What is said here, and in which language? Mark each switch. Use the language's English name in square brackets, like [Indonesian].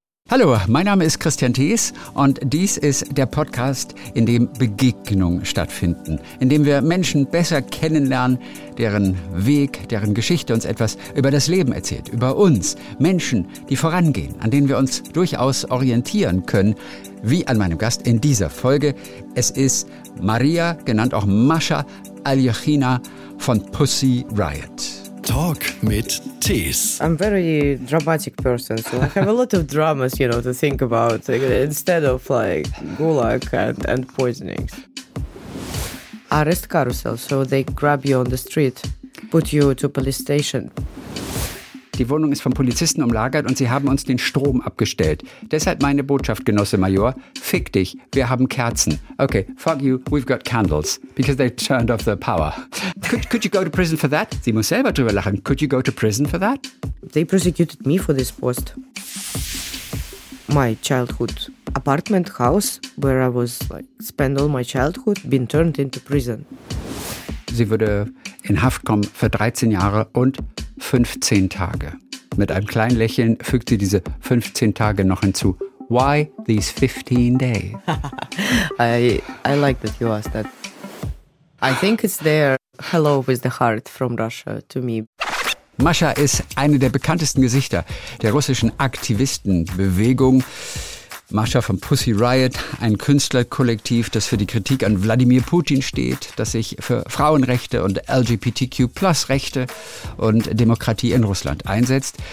[German] Hallo, mein Name ist Christian Thies und dies ist der Podcast, in dem Begegnungen stattfinden, in dem wir Menschen besser kennenlernen, deren Weg, deren Geschichte uns etwas über das Leben erzählt, über uns, Menschen, die vorangehen, an denen wir uns durchaus orientieren können, wie an meinem Gast in dieser Folge. Es ist Maria, genannt auch Mascha Aljechina von Pussy Riot. Talk mit Thies. [English] I'm very dramatic person, so I have a lot of dramas, you know, to think about instead of like gulag and poisonings. Arrest carousel, so they grab you on the street, put you to police station. [German] Die Wohnung ist von Polizisten umlagert und sie haben uns den Strom abgestellt. Deshalb meine Botschaft, Genosse Major, fick dich, wir haben Kerzen. [English] Okay, fuck you, we've got candles, because they turned off the power. Could you go to prison for that? [German] Sie muss selber drüber lachen. [English] Could you go to prison for that? They prosecuted me for this post. My childhood apartment house, where I was like spend all my childhood, been turned into prison. [German] Sie würde in Haft kommen für 13 Jahre und 15 Tage. Mit einem kleinen Lächeln fügt sie diese 15 Tage noch hinzu. [English] Why these 15 days? I like that you asked that. I think it's their hello with the heart from Russia to me. [German] Mascha ist eine der bekanntesten Gesichter der russischen Aktivistenbewegung. Mascha von Pussy Riot, ein Künstlerkollektiv, das für die Kritik an Wladimir Putin steht, das sich für Frauenrechte und LGBTQ+-Rechte und Demokratie in Russland einsetzt.